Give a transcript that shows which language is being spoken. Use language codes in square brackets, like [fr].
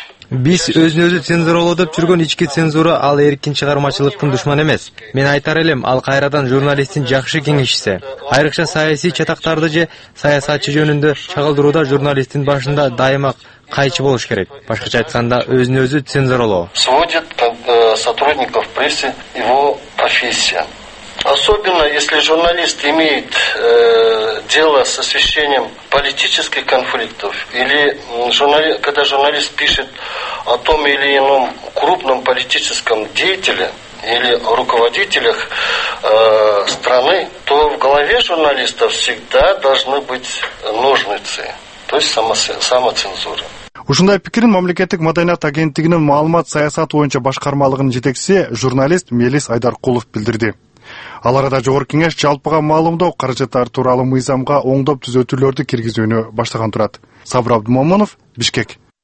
[ky] Биз өзүн өзү цензуралоодоп жүргөн ички цензура ал эркин чыгармачылыктын душманы эмес. Мен айтар элем, ал кайрадан журналисттин жакшы кеңешчиси. Айрыкча саясий чатактарды же саясатчы жөнүндө чагылдырууда журналисттин башында дайыма кайчы болуш керек. Башкача айтканда, өзүн өзү цензуралоо. [ru] Сводит сотрудников прессы его профессия. Особенно если журналист имеет дело с освещением политических конфликтов или когда журналист пишет о том или ином крупном политическом деятеле или руководителях страны, то в голове журналиста всегда должны быть ножницы, то есть самоцензура. [ky] Ушундай пикирин мамлекеттик маданият агенттигинин маалымат саясат боюнча башкармалыгынын жетекчиси журналист Мелис Айдаркулов билдирди. Ал арада Жогорку Кеңеш жалпыга маалымдоо каражаттары тууралуу мыйзамга оңдоп түзөтүүлөрдү киргизүүнү баштаган турат. Сабыр Абдымомунов, Бишкек.